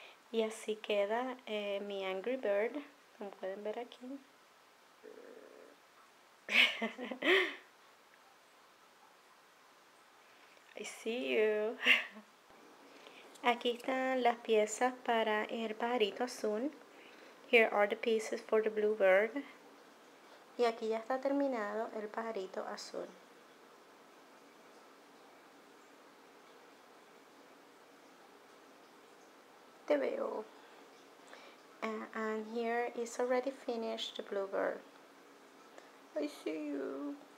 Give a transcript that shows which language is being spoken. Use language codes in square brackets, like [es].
[es] Y así queda mi Angry Bird, como pueden ver aquí. [en] I see you. [es] Aquí están las piezas para el pajarito azul. [en] Here are the pieces for the blue bird. [es] Y aquí ya está terminado el pajarito azul. Te veo. [en] And here is already finished the bluebird. I see you.